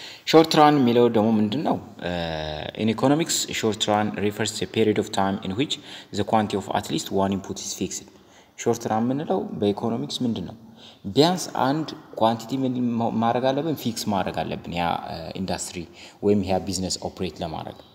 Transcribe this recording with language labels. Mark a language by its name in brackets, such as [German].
[Amharic] short run ሚለው ደግሞ ምንድነው? [English] in economics short run refers to a period of time in which the quantity of at least one input is fixed. [Amharic] short run ምንለው በኢኮኖሚክስ ምንድነው? ቢያንስ አንድ quantity ማድረግ አለብን, fix ማድረግ አለብን ያ ኢንዱስትሪ ወይም ያ business operate ለማድረግ,